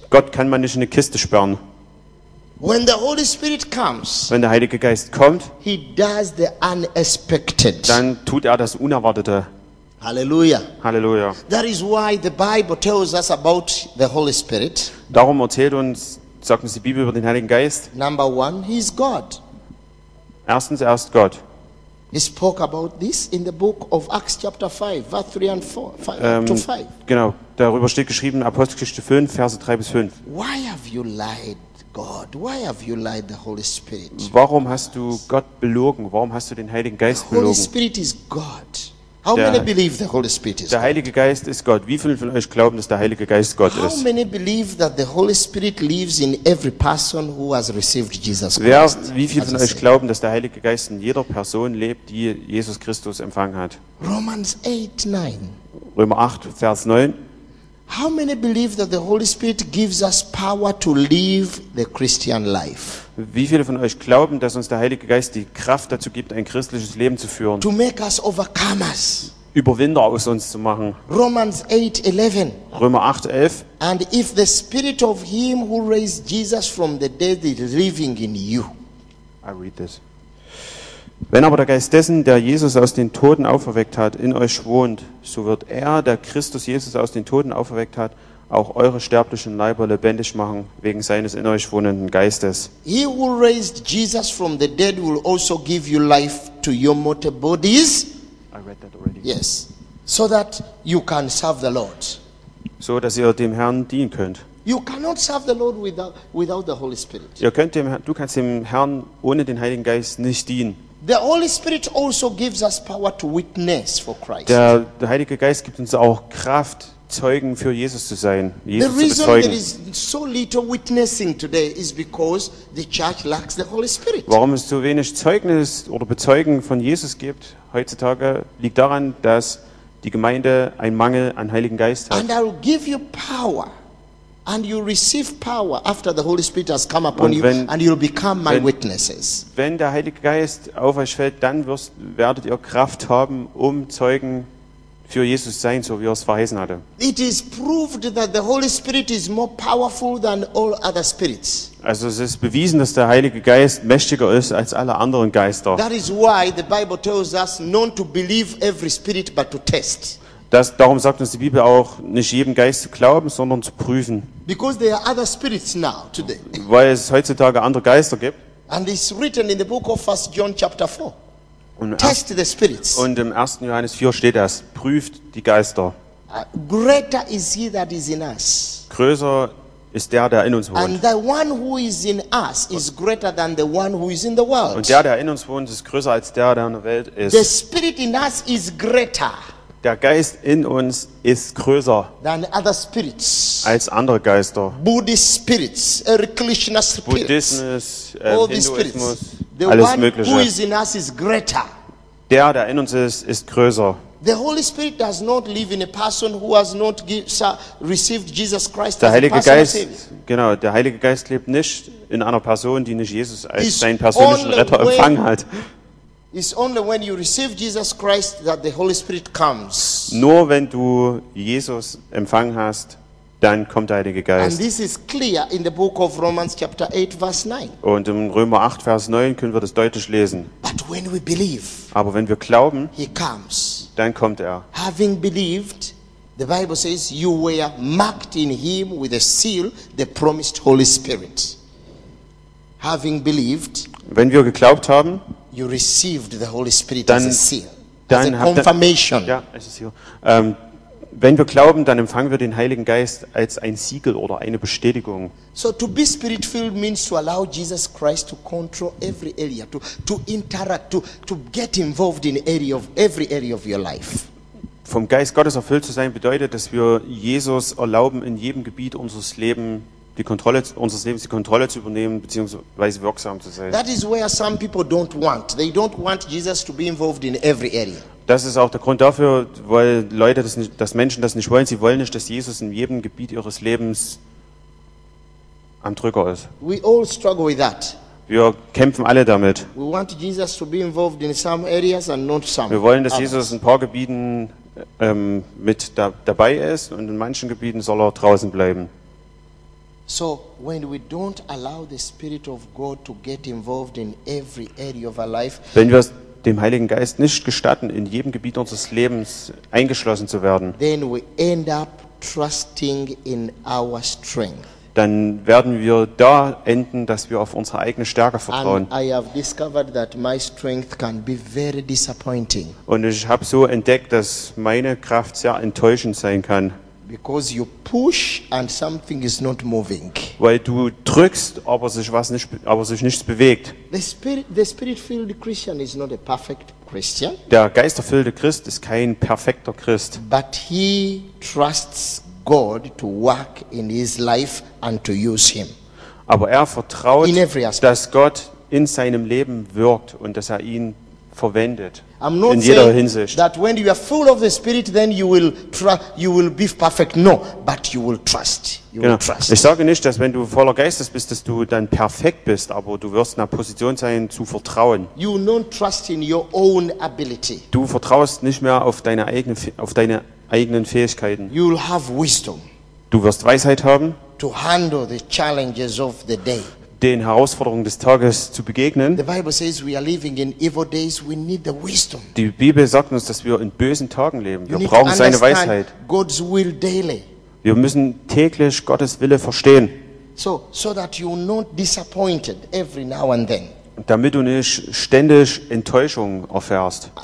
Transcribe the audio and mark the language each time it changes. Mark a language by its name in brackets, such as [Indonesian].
[German] Gott kann man nicht in eine Kiste sperren. [English] When the Holy Spirit comes, [German] wenn der Heilige Geist kommt, [English] he does the unexpected. [German] Dann tut er das Unerwartete. Hallelujah. Hallelujah. [English] That is why the Bible tells us about the Holy Spirit. [German] Darum erzählt uns sagt uns die Bibel über den Heiligen Geist. [English] Number one, he is God. [German] Erstens, er ist Gott. [English] He spoke about this in the book of Acts chapter 5, verse 3 and 4, 5 to 5. [German] Genau, darüber steht geschrieben, Apostelgeschichte 5, Verse 3 bis 5. [English] Why have you lied God? Why have you lied the Holy Spirit? [German] Warum hast du Gott belogen? Warum hast du den Heiligen Geist belogen? [English] The Holy Spirit is God. How many believe the Holy Spirit is [German] God? Der Heilige Geist ist Gott. Wie viele von euch glauben, dass der Heilige Geist Gott ist? [English] How many believe that the Holy Spirit lives in every person who has received Jesus Christ? [German] Wie viele von euch glauben, dass der Heilige Geist in jeder Person lebt, die Jesus Christus empfangen hat? [English] Romans 8, 9. [German] Römer 8, Vers 9. [English] How many believe that the Holy Spirit gives us power to live the Christian life? [German] Wie viele von euch glauben, dass uns der Heilige Geist die Kraft dazu gibt, ein christliches Leben zu führen? [English] To make us overcomers. [German] Überwinder aus uns zu machen. [English] Romans 8, 11. [German] Römer 8, 11. [English] And if the spirit of him who raised Jesus from the dead is living in you. I read this. [German] Wenn aber der Geist dessen, der Jesus aus den Toten auferweckt hat, in euch wohnt, so wird er, der Christus Jesus aus den Toten auferweckt hat, auch eure sterblichen Leiber lebendig machen, wegen seines in euch wohnenden Geistes. [English] He who raised Jesus from the dead will also give you life to your mortal bodies. I read that already. Yes. So that you can serve the Lord. [German] So dass ihr dem Herrn dienen könnt. [English] You cannot serve the Lord without the Holy Spirit. [German] Du kannst dem Herrn ohne den Heiligen Geist nicht dienen. [English] The Holy Spirit also gives us power to witness for Christ. [German] Der Heilige Geist gibt uns auch Kraft, Zeugen für Jesus zu sein, Jesus zu bezeugen. [English] The reason there is so little witnessing today is because the church lacks the Holy Spirit. [German] Warum es so wenig Zeugnis oder Bezeugen von Jesus gibt heutzutage, liegt daran, dass die Gemeinde einen Mangel an Heiligen Geist hat. [English] And I will give you power. And you receive power after the Holy Spirit has come upon you, and you'll become my witnesses. [German] Wenn der Heilige Geist auf euch fällt, dann werdet ihr Kraft haben, um Zeugen für Jesus sein, so wie er es verheißen hatte. [English] It is proved that the Holy Spirit is more powerful than all other spirits. [German] Also es ist bewiesen, dass der Heilige Geist mächtiger ist als alle anderen Geister. [English] That is why the Bible tells us not to believe every spirit, but to test. [German] Darum sagt uns die Bibel auch, nicht jedem Geist zu glauben, sondern zu prüfen. [English] Because there are other spirits now, today. [German] Weil es heutzutage andere Geister gibt. [English] And it's written in the book of 1 John chapter 4. Test the spirits. [German] Und im 1. Johannes 4 steht das, prüft die Geister. [English] Greater is he that is in us. [German] Größer ist der, der in uns wohnt. [English] And the one who is in us is greater than the one who is in the world. [German] Und der in uns wohnt, ist größer als der in der Welt ist. [English] The spirit in us is greater. [German] Der Geist in uns ist größer [English] than other spirits, [German] als andere Geister. [English] Buddhist spirits, Krishna spirits, [German] Buddhismus, Hinduismus, spirits. Alles [English] one [German] Mögliche. [English] Who is in us is greater. [German] Der in uns ist, ist größer. [English] The Holy Spirit does not live in a person who has not received Jesus Christ as a personal Savior. [German] Genau, der Heilige Geist lebt nicht in einer Person, die nicht Jesus als seinen persönlichen Retter empfangen hat. [English] It's only when you receive Jesus Christ that the Holy Spirit comes. [German] Nur wenn du Jesus empfangen hast, dann kommt der Heilige Geist. [English] And this is clear in the book of Romans chapter 8 verse 9. [German] Und im Römer 8 Vers 9 können wir das deutlich lesen. [English] But when we believe, [German] aber wenn wir glauben, [English] he comes. [German] Dann kommt er. [English] Having believed, the Bible says you were marked in him with a seal, the promised Holy Spirit. Having believed, [German] wenn wir geglaubt haben, [English] you received the Holy Spirit [German] dann, [English] as a seal, dann as a confirmation. [German] Wenn wir glauben, dann empfangen wir den Heiligen Geist als ein Siegel oder eine Bestätigung. [English] So to be spirit-filled means to allow Jesus Christ to control every area, to interact, to get involved in area of every area of your life. [German] Vom Geist Gottes erfüllt zu sein bedeutet, dass wir Jesus erlauben, in jedem Gebiet unseres Lebens die Kontrolle zu übernehmen bzw. wirksam zu sein. [English] That is where some people don't want. They don't want Jesus to be involved in every area. [German] Das ist auch der Grund dafür, weil Leute das nicht, dass Menschen das nicht wollen. Sie wollen nicht, dass Jesus in jedem Gebiet ihres Lebens am Drücker ist. [English] We all struggle with that. [German] Wir kämpfen alle damit. [English] We want Jesus to be involved in some areas and not some. [German] Wir wollen, dass Jesus in ein paar Gebieten mit dabei ist und in manchen Gebieten soll er draußen bleiben. [English] So when we don't allow the Spirit of God to get involved in every area of our life, [German] wenn wir dem Heiligen Geist nicht gestatten, in jedem Gebiet unseres Lebens eingeschlossen zu werden, [English] then we end up trusting in our strength. [German] Dann werden wir da enden, dass wir auf unsere eigene Stärke vertrauen. [English] And I have discovered that my strength can be very disappointing. [German] Und ich habe so entdeckt, dass meine Kraft sehr enttäuschend sein kann. [English] Because you push and something is not moving. [German] Weil du drückst, aber sich was nicht, aber sich nichts bewegt. [English] The spirit-filled Christian is not a perfect Christian. [German] Der geisterfüllte Christ ist kein perfekter Christ. [English] But he trusts God to work in his life and to use him. [German] Aber er vertraut, dass Gott in seinem Leben wirkt und dass er ihn verwendet. [English] I'm not [German] in jeder [English] saying [German] Hinsicht. [English] That when you are full of the Spirit, then you will be perfect. No, but you will trust. You will trust. [German] Ich sage nicht, dass wenn du voller Geistes bist, dass du dann perfekt bist, aber du wirst in der Position sein zu vertrauen. [English] You don't trust in your own ability. [German] Du vertraust nicht mehr auf deine eigenen Fähigkeiten. [English] You will have wisdom. [German] Du wirst Weisheit haben. [English] To handle the challenges of the day. [German] Den Herausforderungen des Tages zu begegnen. [English] The Bible says we are living in evil days. We need the wisdom. [German] Die Bibel sagt uns, dass wir in bösen Tagen leben. Wir brauchen seine Weisheit. [English] God's will daily. [German] Wir müssen täglich Gottes Wille verstehen. [English] So that you're not disappointed every now and then. [German] Damit du nicht ständig Enttäuschung erfährst.